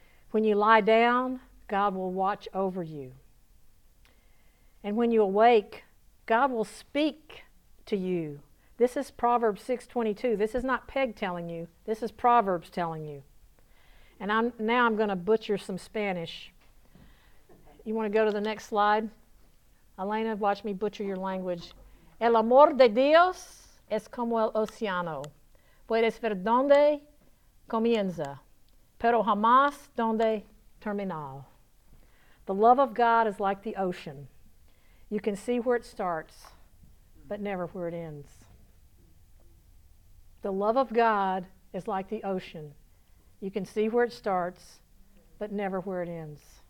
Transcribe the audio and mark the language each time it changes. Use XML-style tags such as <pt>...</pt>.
<en>When you lie down, God will watch over you. And when you awake, God will speak to you. This is Proverbs 6:22. This is not Peg telling you. This is Proverbs telling you. And I'm going to butcher some Spanish. You want to go to the next slide? Elena, watch me butcher your language.</en> <es>El amor de Dios es como el océano. Puedes ver donde comienza, pero jamás donde termina.</es> <en>The love of God is like the ocean. You can see where it starts, but never where it ends. The love of God is like the ocean. You can see where it starts, but never where it ends.</en>